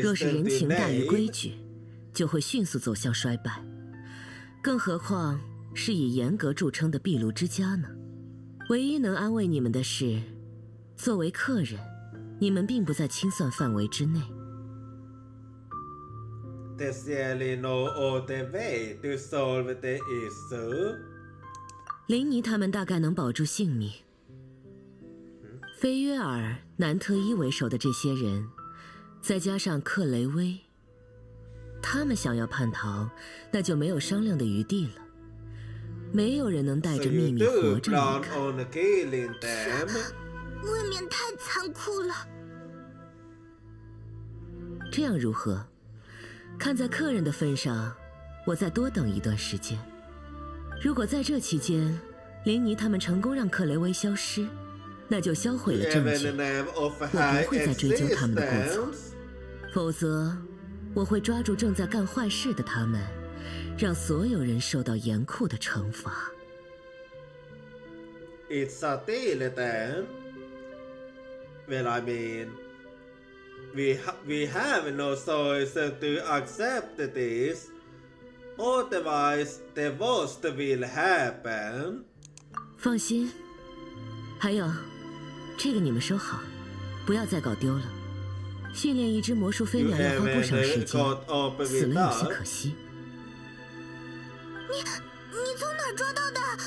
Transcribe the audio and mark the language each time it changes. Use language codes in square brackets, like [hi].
[zh] 若是人情大于规矩，就会迅速走向衰败，更何况是以严格著称的壁炉之家呢？唯一能安慰你们的是，作为客人，你们并不在清算范围之内。 [en] There's really no other way to solve the issue. [zh] 林尼他们大概能保住性命，菲约尔、南特伊为首的这些人，再加上克雷威，他们想要叛逃，那就没有商量的余地了。没有人能带着秘密活着离开。未免太残酷了。这样如何？看在客人的份上，我再多等一段时间。如果在这期间，林尼他们成功让克雷威消失，那就销毁了证据，我不会再追究他们的过错。否则，我会抓住正在干坏事的他们，让所有人受到严酷的惩罚。 [en] It's a deal then. Well, I mean, we have no choice to accept this. Otherwise, the worst will happen. [zh] 放心，还有。这个你们收好，不要再搞丢了。训练一只魔术飞鸟要花不少时间，死了有些可惜。你从哪儿抓到的？